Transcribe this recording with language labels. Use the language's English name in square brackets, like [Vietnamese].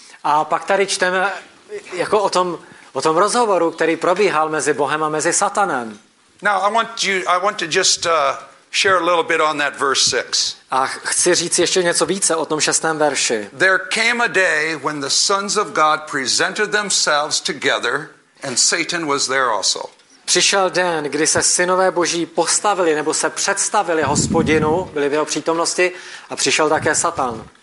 [Czech] A pak tady čteme jako o tom rozhovoru, který probíhal mezi Bohem a mezi Satanem. [English] Now I want to just share a little bit on that verse 6. [Czech] A chci říct ještě něco více o tom šestém verši. [English] There came a day when the sons of God presented themselves together and Satan was there also. [Czech] Přišel den, kdy se synové Boží postavili nebo se představili Hospodinu, byli v jeho přítomnosti a přišel také Satan.